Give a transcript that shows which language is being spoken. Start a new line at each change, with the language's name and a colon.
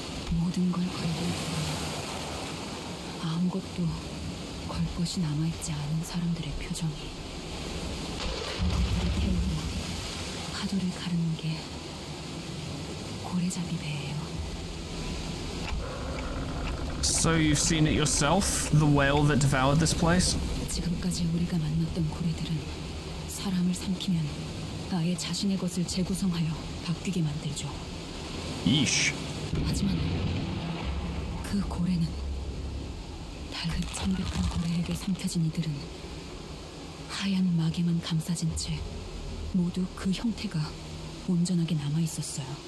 Korean: 모든 걸 걸고 아무것도 걸 것이 남아있지 않은 사람들의 표정이 바다를 태우고 파도를 가르는 게 고래잡이 배예요.
English: So you've seen it yourself, the whale that devoured this place?
Korean: 지금까지 우리가 만났던 고래들은 사람을 삼키면 아예 자신의 것을 재구성하여 바뀌게 만들죠. 이씨. 하지만 그 고래는 다른 천백한 고래에게 삼켜진 이들은 하얀 막에만 감싸진 채 모두 그 형태가 온전하게 남아 있었어요.